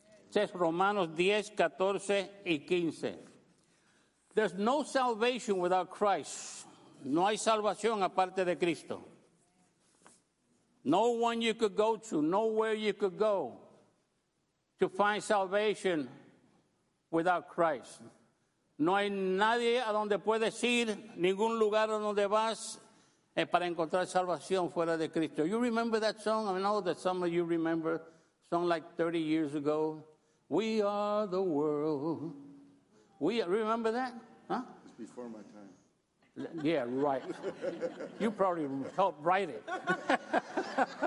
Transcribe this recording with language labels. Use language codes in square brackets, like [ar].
[en] Says Romanos 10, 14 y 15. There's no salvation without Christ. [es] No hay salvación aparte de Cristo. [en] No one you could go to, nowhere you could go to find salvation without Christ. [es] No hay nadie a donde puedes ir, ningún lugar a donde vas para encontrar salvación fuera de Cristo. [en] You remember that song? I know that some of you remember a song like 30 years ago. We are the world. We remember that? Huh? It's before my time. Yeah, right. You probably helped write it.